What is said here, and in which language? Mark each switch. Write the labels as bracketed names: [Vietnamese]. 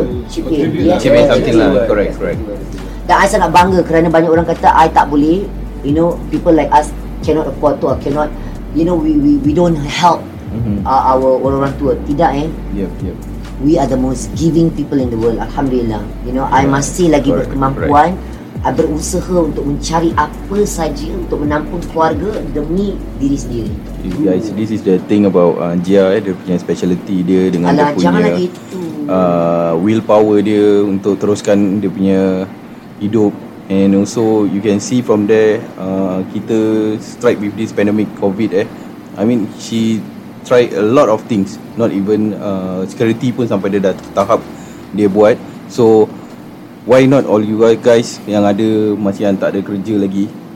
[English] Correct. [Malay] Dan I sangat bangga kerana banyak orang kata I tak boleh. [English] You know, people like us cannot afford to, or cannot, you know, we don't help our [Malay] orang tua. Tidak eh. [English] Yep. We are the most giving people in the world. [Malay] Alhamdulillah. [English] You know, [Malay] I masih lagi berkemampuan. I berusaha untuk mencari apa saja untuk menampung keluarga demi diri sendiri. [English] Guys, this is the thing about Jia, [Malay] dia punya speciality dia dengan alah, dia punya jangan lagi willpower dia untuk teruskan dia punya hidup. [English] And also you can see from there, kita strike with this pandemic COVID I mean she tried a lot of things, not even security [Malay] pun sampai dia dah tahap dia buat. [English] So why not all you guys [Malay] yang ada masih yang tak ada kerja lagi?